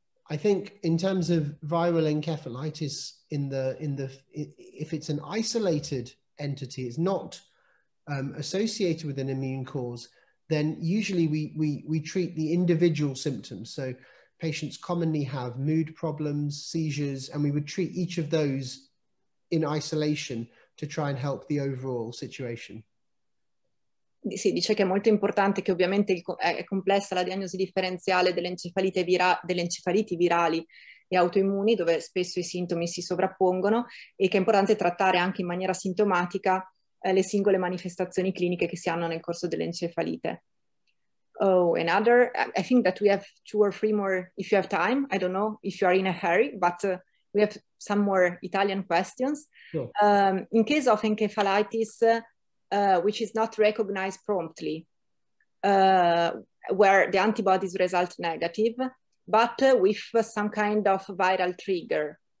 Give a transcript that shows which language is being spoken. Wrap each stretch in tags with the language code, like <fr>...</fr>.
<en>I think in terms of viral encephalitis, if it's an isolated entity, it's not associated with an immune cause, then usually we treat the individual symptoms. So patients commonly have mood problems, seizures, and we would treat each of those in isolation to try and help the overall situation.</en> <it>Sì, dice che è molto importante, che ovviamente è complessa la diagnosi differenziale delle encefaliti virali e autoimmuni, dove spesso i sintomi si sovrappongono, e che è importante trattare anche in maniera sintomatica le singole manifestazioni cliniche che si hanno nel corso dell'encefalite.</it> <en>Oh, another, I think that we have 2 or 3 more, if you have time, I don't know if you are in a hurry, but we have some more Italian questions. Sure. In case of encephalitis, which is not recognized promptly, where the antibodies result negative, but with some kind of viral trigger.</en>